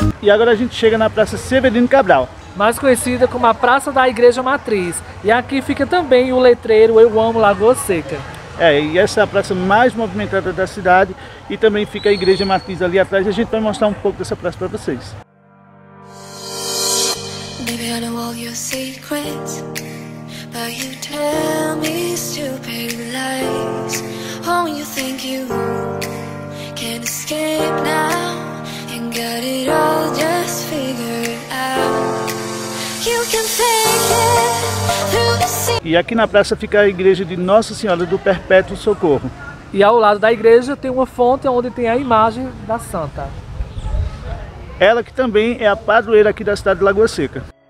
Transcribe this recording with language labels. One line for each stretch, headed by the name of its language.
Portuguese: agora a gente chega na Praça Severino Cabral, mais conhecida como a Praça da Igreja Matriz. E aqui fica também o letreiro Eu Amo Lagoa Seca. É, e essa é a praça mais movimentada da cidade e também fica a Igreja Matriz ali atrás. A gente vai mostrar um pouco dessa praça para vocês.
English: Maybe I know all your secrets, but you tell me stupid lies. Oh, you think you can escape now and got it all just figured out. You can fake it.
Portuguese: E aqui na praça fica a igreja de Nossa Senhora do Perpétuo Socorro. E ao lado da igreja tem uma fonte onde tem a imagem da santa. Ela que também é a padroeira aqui da cidade de Lagoa Seca.